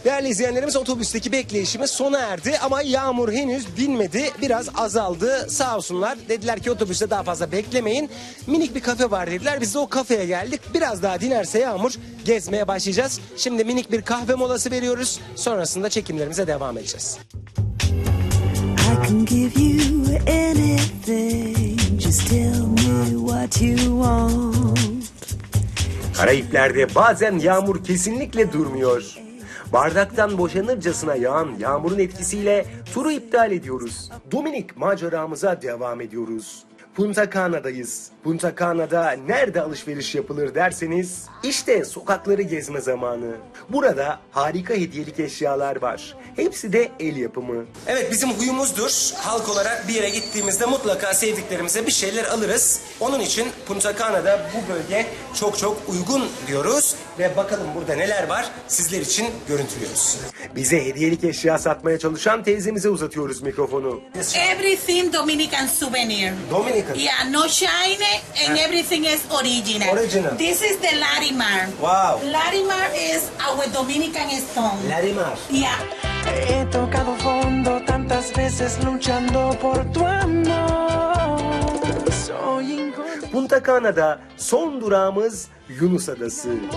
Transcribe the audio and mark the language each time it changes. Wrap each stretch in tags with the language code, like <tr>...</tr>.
<tr>Değerli izleyenlerimiz, otobüsteki bekleyişimiz sona erdi ama yağmur henüz dinmedi. Biraz azaldı sağ olsunlar. Dediler ki otobüste daha fazla beklemeyin. Minik bir kafe var dediler. Biz de o kafeye geldik. Biraz daha dinerse yağmur gezmeye başlayacağız. Şimdi minik bir kahve molası veriyoruz. Sonrasında çekimlerimize devam edeceğiz.</tr> <en>I can give you anything, just tell me what you want.</en> <tr>Karayiplerde bazen yağmur kesinlikle durmuyor. Bardaktan boşanırcasına yağan yağmurun etkisiyle turu iptal ediyoruz. Dominik maceramıza devam ediyoruz. Punta Cana'dayız. Punta Cana'da nerede alışveriş yapılır derseniz, işte sokakları gezme zamanı. Burada harika hediyelik eşyalar var. Hepsi de el yapımı. Evet, bizim huyumuzdur. Halk olarak bir yere gittiğimizde mutlaka sevdiklerimize bir şeyler alırız. Onun için Punta Cana'da bu bölge çok çok uygun diyoruz. Ve bakalım burada neler var, sizler için görüntülüyoruz. Bize hediyelik eşya satmaya çalışan teyzemize uzatıyoruz mikrofonu.</tr> <en>Everything Dominican souvenir. Dominican. Yeah, no shine and everything is original. Original. This is the Larimar. Wow. Larimar is our Dominican stone. Larimar. Yeah.</en> <es>He tocado fondo tantas veces luchando por tu amor.</es> <tr>Punta Cana'da son durağımız Yunus Adası.</tr>